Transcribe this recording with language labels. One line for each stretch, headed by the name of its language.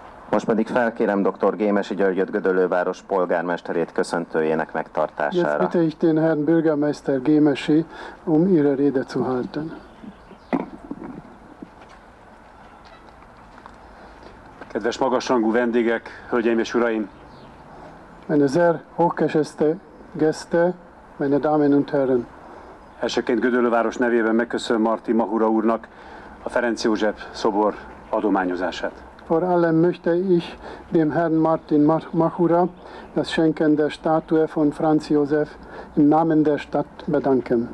Hungarian: Most pedig felkérem Dr. Gémesi Györgyöt Gödöllőváros polgármesterét köszöntőjének megtartására.
German: Jetzt bitte ich den Herrn Bürgermeister Gémesi, ihre Rede zu halten.
Hungarian: Kedves magasrangú vendégek, hölgyeim és uraim!
German: Meine sehr hochgeschätzte Gäste, meine Damen und Herren!
Hungarian: Elsőként Gödöllőváros nevében megköszönöm Marti Mahura úrnak a Ferenc József szobor adományozását.
German: Vor allem möchte ich dem Herrn Martin Mahura das Schenken der Statue von Franz Josef im Namen der Stadt bedanken.